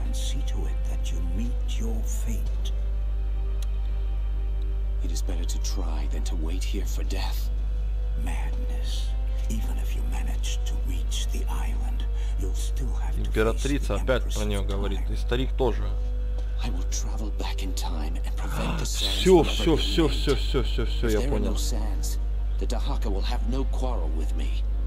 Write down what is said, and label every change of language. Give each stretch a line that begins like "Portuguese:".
English: And see to it that you meet your fate. It is better to try than to wait here for death. Madness. Even if you manage to reach the island, you'll still have to face the Empress.
Russian: Императрица опять про нее говорит, и старик тоже.
English: I will travel back in time and prevent the sands.
Russian: Все, я понял.
English: If there are no sands, the Dahaka will have no quarrel with me.